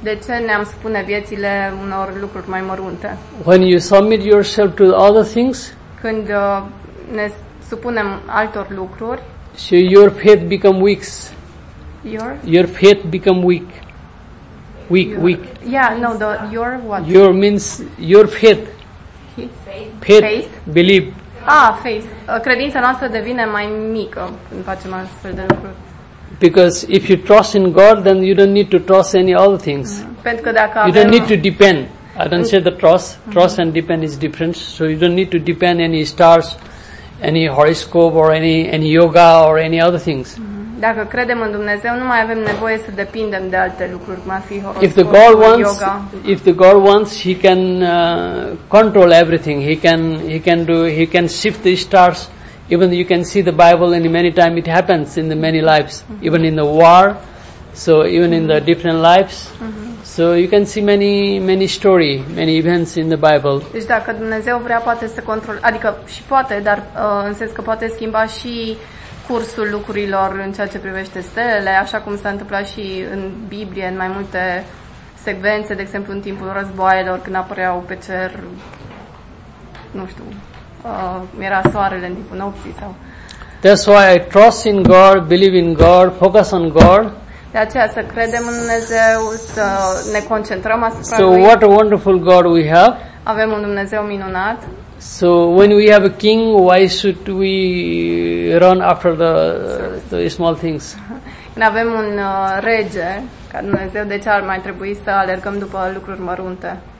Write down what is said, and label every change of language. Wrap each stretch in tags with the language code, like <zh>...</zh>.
<ro>De ce ne-am supune viețile unor lucruri mai mărunte?</ro> <en>When you submit yourself to the other things?</en> <ro>Când ne supunem altor lucruri?</ro> <en>So your faith become weak. Your faith become weak. Weak. Yeah, no, the your what? Your means your faith. Faith. Believe. Faith.</en> <ro>Credința noastră devine mai mică când facem astfel de lucruri.</ro> <en>Because if you trust in God, then you don't need to trust any other things.</en> <ro>Pentru că dacă</ro> <en>you don't need to depend I don't say the cross mm-hmm. and depend is different. So you don't need to depend any stars, any horoscope or any yoga or any other things. Mm-hmm.</en> <ro>Dacă credem în Dumnezeu, nu mai avem nevoie să depindem de alte lucruri, cum ar fi horoscope,</ro> <en>if the God wants, he can control everything. He can shift the stars. Even you can see the Bible, and many times it happens in the many lives, mm-hmm. even in the war. So even mm-hmm. in the different lives. Mm-hmm. So you can see many story, many events in the Bible.</en> <ro>Deci dacă Dumnezeu vrea, poate să controleze, adică și poate, dar în sens că poate schimba și cursul lucrurilor în ceea ce privește stelele, așa cum s-a întâmplat și în Biblie, în mai multe secvențe, de exemplu în timpul războaielor, când apăreau pe cer, nu știu, era soarele în timpul nopții sau...</ro> <en>That's why I trust in God, believe in God, focus on God.</en> <ro>De aceea să credem în Dumnezeu, să ne concentrăm asupra</ro> <en>so</en> <ro>lui.</ro> <en>So what a wonderful God we have.</en> <ro>Avem un Dumnezeu minunat.</ro> <en>So when we have a king, why should we run after the small things?</en> <ro>Când avem un rege ca Dumnezeu, de ce ar mai trebui să alergăm după lucruri mărunte?</ro>